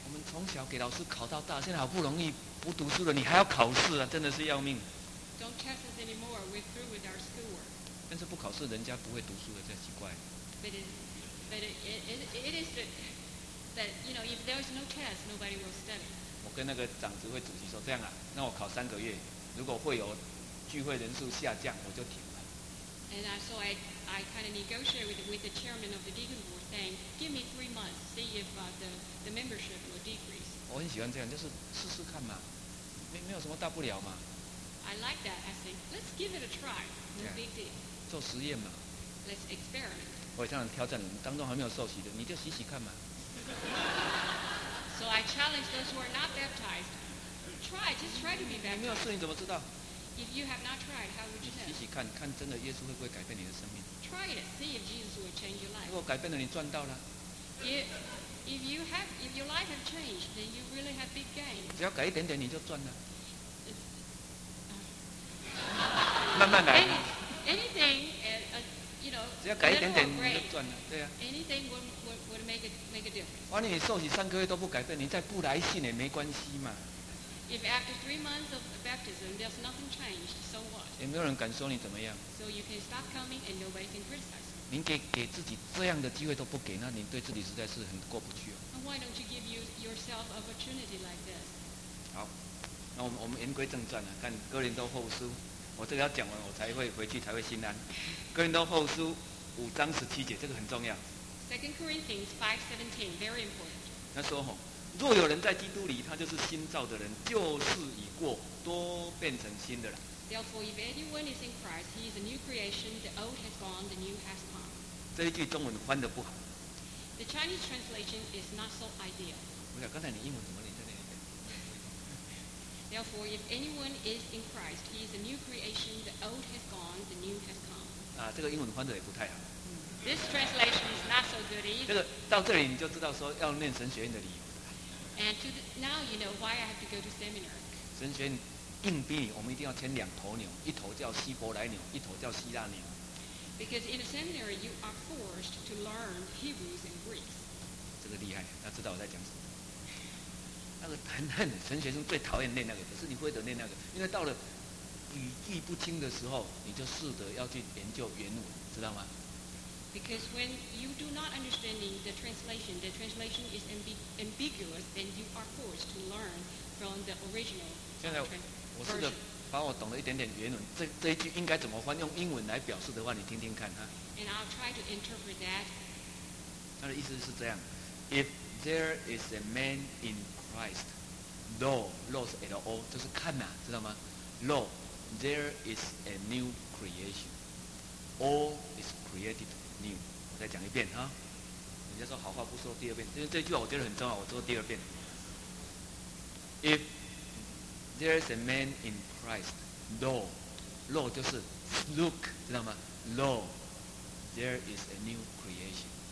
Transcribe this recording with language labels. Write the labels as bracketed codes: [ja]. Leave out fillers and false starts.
[zh] 我们从小给老师考到大，现在好不容易不读书了，你还要考试啊，真的是要命。 [en] Don't test us anymore. We're through with our schoolwork. [zh] 但是不考试，人家不会读书的，这奇怪。 [en] But it is that you know, if there is no test, nobody will study. [zh] 我跟那个长执会主席说，这样啊，那我考三个月，如果会有聚会人数下降，我就停了。 [en] And so I kind of negotiated with the chairman of the deacon board, saying, give me 3 months, see if the membership will decrease. [zh] 我很喜欢这样，就是试试看嘛，没有什么大不了嘛。 [en] I like that. I say, let's give it a try. No big deal. [zh] 做实验嘛。 [en] Let's experiment. [zh] 我也常常挑战人，当中还没有受洗的，你就洗洗看嘛。 [en] So I challenge those who are not baptized. Try, just try to be baptized. [zh] 你没有试，你怎么知道 [en] ？If you have not tried, how would you know? [zh] 洗洗看看，真的耶稣会不会改变你的生命 [en] ？Try it, see if Jesus will change your life. [zh] 如果改变了，你赚到了。 [en] If your life has changed, then you really have big gain. [zh] 只要改一点点，你就赚了。慢慢来。 [en] Anything. [zh] 只要改一点点你就赚了，对啊。 [en] Anything would make a difference. [zh] 万一你受洗三个月都不改变，你再不来信也没关系嘛。 [en] If after 3 months of baptism there's nothing changed, so what? [zh] 也没有人敢说你怎么样。 [en] So you can stop coming and nobody can criticize. [zh] 您给自己这样的机会都不给，那你对自己实在是很过不去哦。 [en] Why don't you give yourself an opportunity like this? [zh] 好，那我们言归正传了，看哥林多后书。我这个要讲完，我才会回去，才会心安。哥林多后书五章十七节，这个很重要。 [en] Second Corinthians 5:17, very important. [zh] 他说：“吼，若有人在基督里，他就是新造的人，旧事已过，多变成新的了。” [en] Therefore, if anyone is in Christ, he is a new creation. The old has gone, the new has come. [zh] 这一句中文翻得不好。 [en] The Chinese translation is not so ideal. [zh] 我想刚才你英文怎么？ [en] Therefore, if anyone is in Christ, he is a new creation. The old has gone, the new has come. [zh] 啊，这个英文翻的也不太好。 [en] This translation is not so good either. [zh] 这个到这里你就知道说要念神学院的理由。 [en] And now you know why I have to go to seminary. [zh] 神学院硬逼你，我们一定要牵两头牛，一头叫希伯来牛，一头叫希腊牛。 [en] Because in a seminary you are forced to learn Hebrews and Greeks. [zh] 这个厉害，要知道我在讲什么。那个很神学生最讨厌念那个，可是你会得念那个，因为到了语句不清的时候，你就试着要去研究原文，知道吗 [en] ？Because when you do not understanding the translation is ambiguous, then you are forced to learn from the original. [zh] 现在我试着把我懂了一点点原文，这一句应该怎么翻？用英文来表示的话，你听听看哈。 [en] And I'll try to interpret that. [zh] 他的意思是这样 [en] ：If there is a man in Christ, though is at all， [zh] 就是看呐、啊，知道吗 [en] ？Though there is a new creation, all is created new。 [zh] 我再讲一遍哈。人家说好话不说第二遍，因为这句话我觉得很重要，我说第二遍。 [en] If there is a man in Christ, law [zh] 就是 [en] look， [zh] 知道吗 [en] ？Law, there is a new creation.